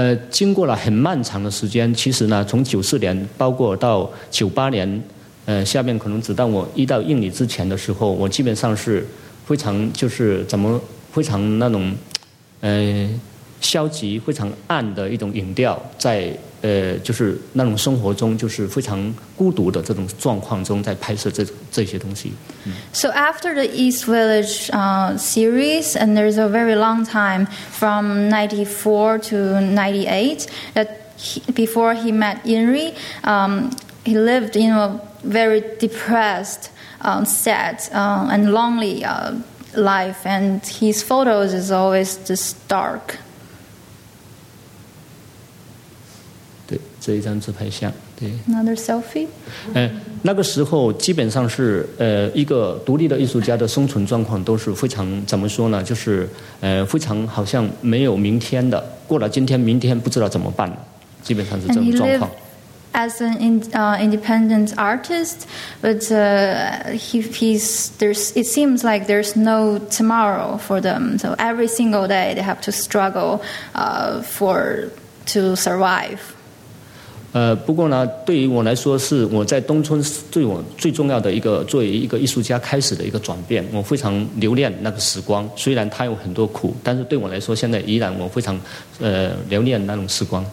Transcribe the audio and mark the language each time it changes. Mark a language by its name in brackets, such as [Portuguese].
[Chinese] 经过了很漫长的时间，其实呢，从94年包括到98年，下面可能只到我一到印尼之前的时候，我基本上是非常就是怎么非常那种。消极非常暗的一种影调，在就是那种生活中就是非常孤独的这种状况中在拍摄这些东西。 [English] So after the East Village series, and there's a very long time from 94 to 98 that before he met Inri, he lived in a very depressed, sad, and lonely life, and his photos is always just dark. [Chinese] 对，这一张自拍相，对。 [English] Another selfie. [Chinese] 那个时候基本上是一个独立的艺术家的生存状况都是非常怎么说呢？就是非常好像没有明天的，过了今天，明天不知道怎么办了。基本上是这种状况。 [English] As an independent artist, but it seems like there's no tomorrow for them. So every single day they have to struggle to survive. [Chinese] 不过呢，对于我来说，是我在东村对我最重要的一个作为一个艺术家开始的一个转变。我非常留恋那个时光，虽然它有很多苦，但是对我来说，现在依然我非常留恋那种时光。